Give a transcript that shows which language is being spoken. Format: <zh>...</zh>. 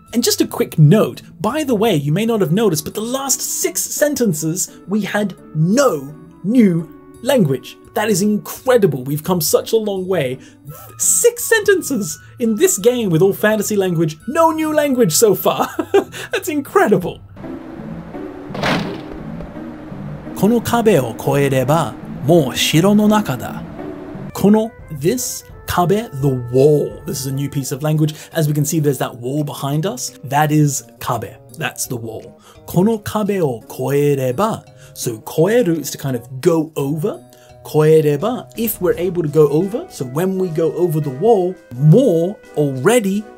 <en>And just a quick note, by the way, you may not have noticed, but the last six sentences, we had no new language. That is incredible. We've come such a long way. Six sentences in this game with all fantasy language, no new language so far. That's incredible.</en> <ja>この壁を越えればもう城の中だ。</ja> <en>この this Kabe, the wall. This is a new piece of language. As we can see, there's that wall behind us. That is kabe. That's the wall.</en> <ja>Kono kabe wo koereba.</ja> <en>So koeru is to kind of go over. Koereba, if we're able to go over. So when we go over the wall, more already</en>